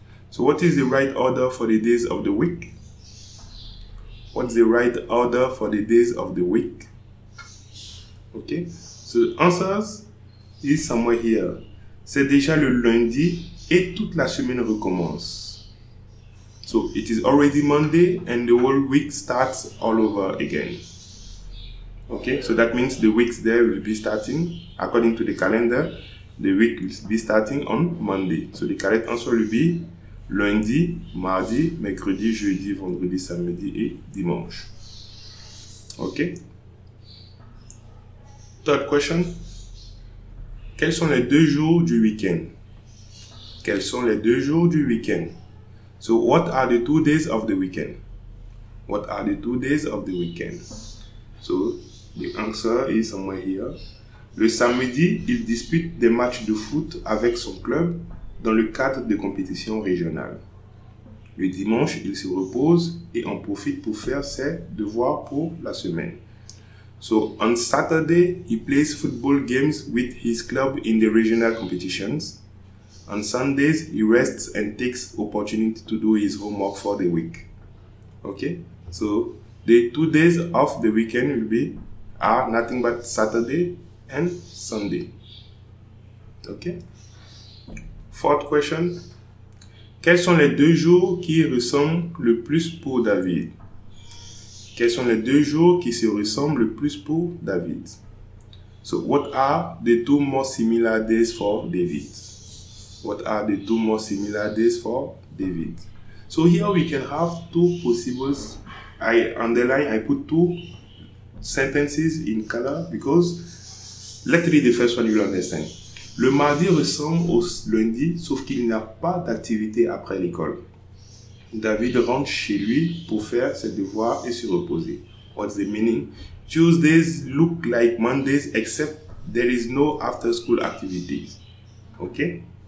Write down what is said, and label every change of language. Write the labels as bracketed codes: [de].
[en] So what is the right order for the days of the week? Okay. So the answer is somewhere here. [fr] C'est déjà le lundi et toute la semaine recommence. [en] So it is already Monday and the whole week starts all over again. Okay, so that means the weeks there will be starting according to the calendar. The week will be starting on Monday. So the correct answer will be [fr] lundi, mardi, mercredi, jeudi, vendredi, samedi et dimanche. [en] Okay. Third question. [fr] Quels sont les deux jours du week-end? Quels sont les deux jours du week-end? [en] So what are the 2 days of the weekend? What are the 2 days of the weekend? So the answer is somewhere here. [fr] Le samedi, il dispute des matchs de foot avec son club dans le cadre de compétitions régionales. Le dimanche, il se repose et en profite pour faire ses devoirs pour la semaine. [en] So on Saturday, he plays football games with his club in the regional competitions. On Sundays, he rests and takes opportunity to do his homework for the week. Okay? So the 2 days of the weekend will be are nothing but Saturday and Sunday. Okay? Fourth question. [fr] Quels sont les deux jours qui ressemblent le plus pour David? Quels sont les deux jours qui se ressemblent le plus pour David? [en] So what are the two most similar days for David? What are the two most similar days for David? So here we can have two possibles. I underline, I put two sentences in color because let's read the first one, you'll understand. [fr] Le mardi ressemble au lundi, sauf qu'il n'a pas d'activité après l'école. David rentre chez lui pour faire ses devoirs et se reposer. [en] What's the meaning? Tuesdays look like Mondays except there is no after-school activities. Okay?